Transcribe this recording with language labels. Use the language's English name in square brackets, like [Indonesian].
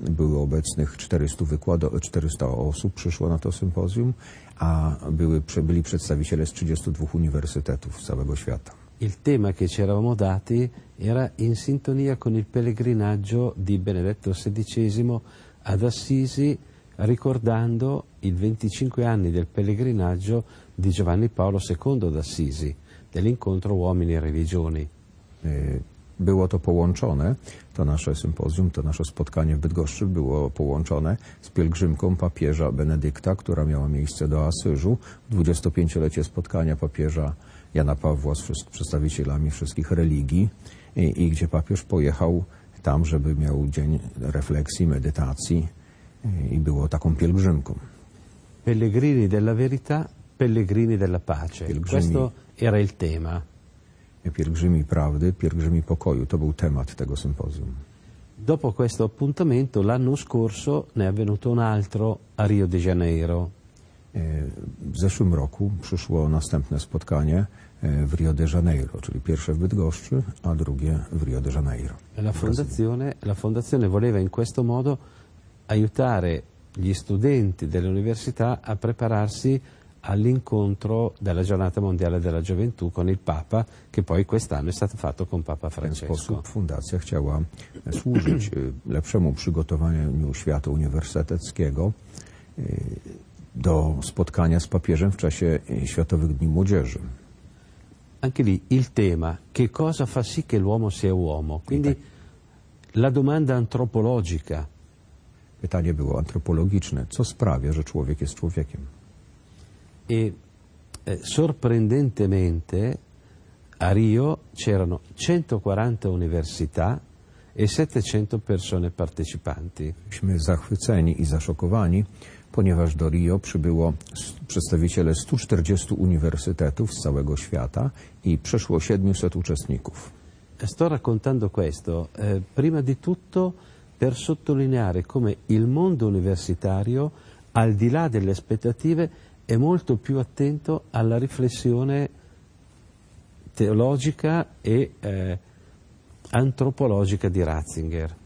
[Polish] Było obecnych 400 osób przyszło na to sympozjum, a byli przedstawiciele z 32 uniwersytetów z całego świata. [Italian] Il tema che ci eravamo dati era in sintonia con il pellegrinaggio di Benedetto XVI ad Assisi, ricordando i 25 anni del pellegrinaggio di Giovanni Paolo II ad Assisi, dell'incontro uomini e religioni. [Polish] Było to połączone, to nasze sympozjum, to nasze spotkanie w Bydgoszczy było połączone z pielgrzymką papieża Benedykta, która miała miejsce do Asyżu, 25-lecie spotkania papieża Jana Pawła z przedstawicielami wszystkich religii i gdzie papież pojechał tam, żeby miał dzień refleksji, medytacji i było taką pielgrzymką. [Italian] Pellegrini della verità pellegrini della pace. Pielgrzymi, questo era il tema. [Polish] Pielgrzymi prawdy, pielgrzymi pokoju, to był temat tego symposium. [Italian] Dopo questo appuntamento, l'anno scorso ne è avvenuto un altro a Rio de Janeiro. [Polish] W zeszłym roku przyszło następne spotkanie w Rio de Janeiro, czyli pierwsze w Bydgoszczy, a drugie w Rio de Janeiro. [Italian] La fondazione voleva in questo modo aiutare gli studenti dell'università a prepararsi all'incontro della giornata mondiale della gioventù con il Papa, che poi quest'anno è stato fatto con Papa Francesco. In questo modo la fondazione [Polish] chciała służyć lepszemu przygotowaniu świata uniwersyteckiego do spotkania z papieżem w czasie Światowych Dni Młodzieży. [Italian] Anche lì il tema, che cosa fa sì che l'uomo sia uomo? Quindi la domanda antropologica. [Polish] Pytanie było antropologiczne. Co sprawia, że człowiek jest człowiekiem? [Italian] E sorprendentemente a Rio c'erano 140 università e 700 persone partecipanti. [Polish] Byliśmy zachwyceni i zaszokowani, ponieważ do Rio przybyło przedstawiciele 140 uniwersytetów z całego świata i przeszło 700 uczestników. [Italian] Sto raccontando questo prima di tutto per sottolineare come il mondo universitario, al di là delle aspettative, è molto più attento alla riflessione teologica e antropologica di Ratzinger.